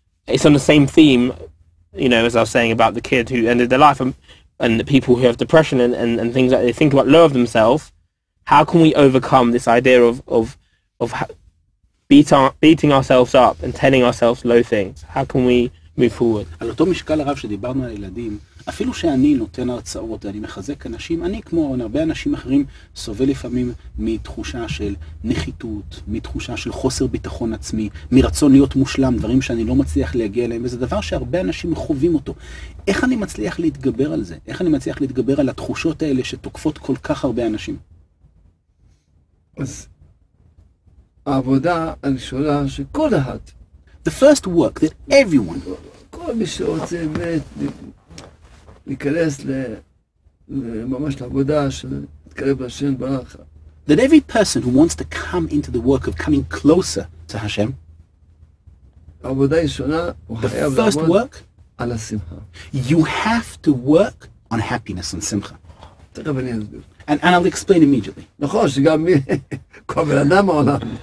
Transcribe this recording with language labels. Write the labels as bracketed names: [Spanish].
[English] It's on the same theme, you know, as I was saying about the kid who ended their life, and the people who have depression and things that they think about low of themselves. How can we overcome this idea of beating ourselves up and telling ourselves low things? How can we move forward? [Hebrew] על אותו משקל הרב שדיברנו על ילדים, אפילו שאני נותן הרצאות, אני מחזק אנשים, אני כמו הרבה אנשים אחרים סובל לפעמים מתחושה של נחיתות, מתחושה של חוסר ביטחון עצמי, מרצון להיות מושלם, דברים שאני לא מצליח להגיע אליהם, וזה דבר שהרבה אנשים חווים אותו. איך אני מצליח להתגבר על זה? איך אני מצליח להתגבר על התחושות האלה שתוקפות כל כך הרבה אנשים? אז העבודה הראשונה שכל אחד, [English] the first work that everyone, [Hebrew] כל מי שרוצה באמת להיכנס לממש לעבודה של להתקרב לשם ברך, [English] that every person who wants to come into the work of coming closer to Hashem, [Hebrew] העבודה הראשונה, [English] the first work, [Hebrew] על השמחה. [English] You have to work on happiness and simcha. [Hebrew] תכף אני אסביר. [English] And I'll explain immediately. [Hebrew] נכון, שגם מי, כל בן אדם העולם.